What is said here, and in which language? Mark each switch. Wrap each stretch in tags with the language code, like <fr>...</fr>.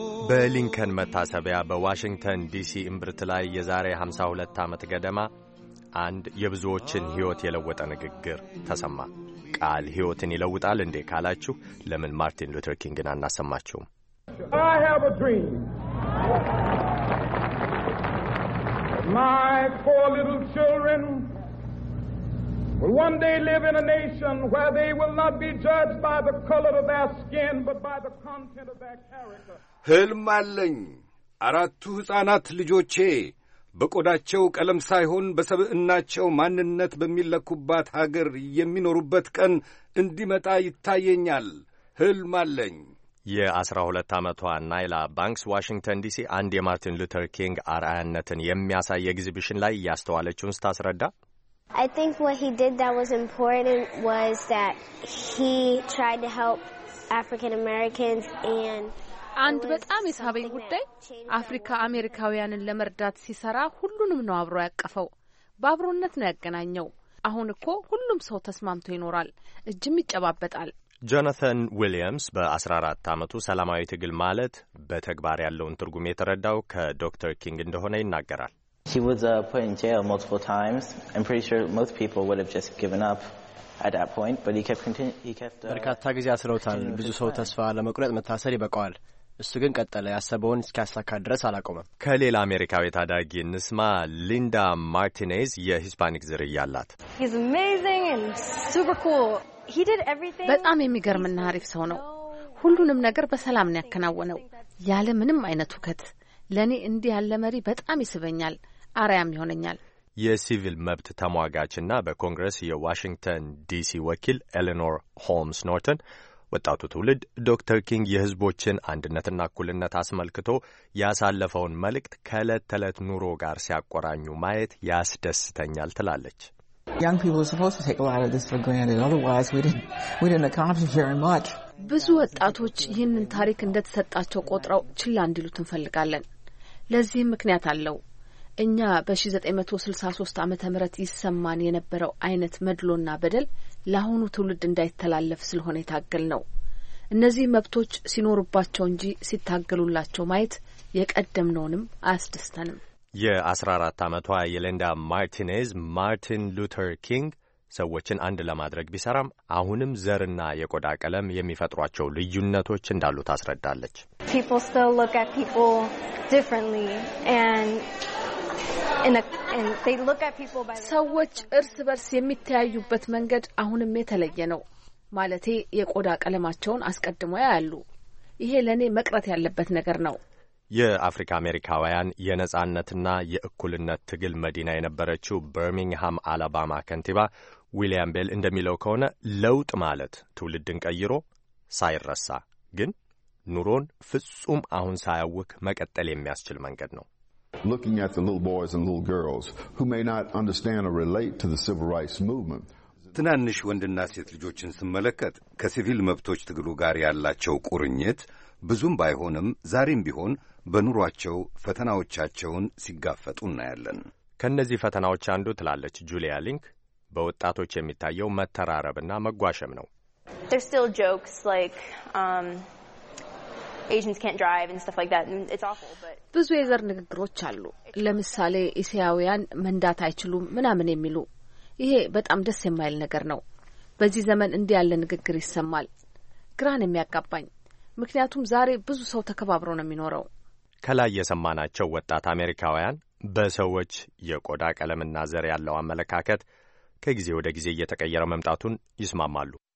<am>በሊንከን መታሰቢያ በዋሽንግተን ዲሲ እምብርት ላይ የዛሬ 52 ዓመት ገደማ አንድ የብዙዎችን ሕይወት የለወጠ ንግግር ተሰማ። ቃል ሕይወትን ይለውጣል እንዴ ካላችሁ ለምን ማርቲን ሉተር ኪንግን አናሰማችሁም?</am> <en>I have a dream. My four little children will one day live in a nation where they will not be judged by the color of their skin but by the content of their character.</en> <am>ህልም አለኝ አራቱ ህፃናት ልጆቼ በቆዳቸው ቀለም ሳይሆን በሰብእናቸው ማንነት በሚለኩበት ሀገር የሚኖሩበት ቀን እንዲመጣ ይታየኛል። ህልም አለኝ። የ12 ዓመቷ ናይላ ባንክስ ዋሽንግተን ዲሲ አንድ የማርቲን ሉተር ኪንግ አርአያነትን የሚያሳይ ኤግዚቢሽን ላይ ያስተዋለችውን ስታስረዳ</am> <en>I think what he did that was important was that he tried to help African Americans and</en> <am>አንድ በጣም የሳበኝ ጉዳይ አፍሪካ አሜሪካውያንን ለመርዳት ሲሰራ ሁሉንም ነው አብሮ ያቀፈው። በአብሮነት ነው ያገናኘው። አሁን እኮ ሁሉም ሰው ተስማምቶ ይኖራል እጅም ይጨባበጣል። ጆናታን ዊሊያምስ በ14 ዓመቱ ሰላማዊ ትግል ማለት በተግባር ያለውን ትርጉም የተረዳው ከዶክተር ኪንግ እንደሆነ ይናገራል።</am> <en>He was put in jail multiple times. I'm pretty sure most people would have just given up at that point, but he kept</en> <am>በርካታ ጊዜ አስረውታል። ብዙ ሰው ተስፋ ለመቁረጥ መታሰር ይበቃዋል። እሱ ግን ቀጠለ። ያሰበውን እስኪያሳካ ድረስ አላቆመም። ከሌላ አሜሪካዊ ታዳጊ እንስማ። ሊንዳ ማርቲኔዝ የሂስፓኒክ ዝርያ አላት።</am> <en>He's amazing and super cool. He did everything.</en> <am>በጣም የሚገርምና አሪፍ ሰው ነው። ሁሉንም ነገር በሰላም ነው ያከናወነው ያለ ምንም አይነት ውከት። ለኔ እንዲህ ያለ መሪ በጣም ይስበኛል፣ አራያም ይሆነኛል። የሲቪል መብት ተሟጋችና በኮንግረስ የዋሽንግተን ዲሲ ወኪል ኤሊኖር ሆልምስ ኖርተን ወጣቱ ትውልድ ዶክተር ኪንግ የህዝቦችን አንድነትና እኩልነት አስመልክቶ ያሳለፈውን መልእክት ከዕለት ተዕለት ኑሮ ጋር ሲያቆራኙ ማየት ያስደስተኛል ትላለች።</am> <en>Young people are supposed to take a lot of this for granted. Otherwise, we didn't accomplish very much.</en> <am>ብዙ ወጣቶች ይህንን ታሪክ እንደተሰጣቸው ቆጥረው ችላ እንዲሉት እንፈልጋለን። ለዚህም ምክንያት አለው። እኛ በ1963 ዓመተ ምህረት ይሰማን የነበረው አይነት መድሎና በደል ለአሁኑ ትውልድ እንዳይተላለፍ ስለሆነ የታገልነው። እነዚህ መብቶች ሲኖርባቸው እንጂ ሲታገሉላቸው ማየት የቀደምነውንም አያስደስተንም። የ14 ዓመቷ የሊንዳ ማርቲኔዝ ማርቲን ሉተር ኪንግ ሰዎችን አንድ ለማድረግ ቢሰራም አሁንም ዘርና የቆዳ ቀለም የሚፈጥሯቸው ልዩነቶች እንዳሉ ታስረዳለች።</am> <en>People still look at people differently and they look at people by</en> <am>ሰዎች እርስ በርስ የሚተያዩበት መንገድ አሁንም የተለየ ነው። ማለቴ የቆዳ ቀለማቸውን አስቀድሞ ያያሉ። ይሄ ለኔ መቅረት ያለበት ነገር ነው። የአፍሪካ አሜሪካውያን የነጻነትና የእኩልነት ትግል መዲና የነበረችው በርሚንግሃም አላባማ ከንቲባ ዊሊያም ቤል እንደሚለው ከሆነ ለውጥ ማለት ትውልድን ቀይሮ ሳይረሳ ግን ኑሮን ፍጹም አሁን ሳያውክ መቀጠል የሚያስችል መንገድ ነው።</am> <en>Looking at the little boys and little girls who may not understand or relate to the civil rights movement.</en> <am>ትናንሽ ወንድና ሴት ልጆችን ስመለከት ከሲቪል መብቶች ትግሉ ጋር ያላቸው ቁርኝት ብዙም ባይሆንም ዛሬም ቢሆን በኑሯቸው ፈተናዎቻቸውን ሲጋፈጡ እናያለን። ከነዚህ ፈተናዎች አንዱ ትላለች ጁሊያ ሊንክ በወጣቶች የሚታየው መተራረብና መጓሸም ነው።</am> <en>There's still jokes like Asians can't drive and stuff like that and it's awful but</en> <am>ብዙ የዘር ንግግሮች አሉ። ለምሳሌ እስያውያን መንዳት አይችሉም ምናምን የሚሉ። ይሄ በጣም ደስ የማይል ነገር ነው። በዚህ ዘመን እንዲህ ያለ ንግግር ይሰማል። ግራን የሚያጋባኝ ምክንያቱም ዛሬ ብዙ ሰው ተከባብሮ ነው የሚኖረው። ከላይ የሰማናቸው ወጣት አሜሪካውያን በሰዎች የቆዳ ቀለምና ዘር ያለው አመለካከት ከጊዜ ወደ ጊዜ እየተቀየረ መምጣቱን ይስማማሉ።</am>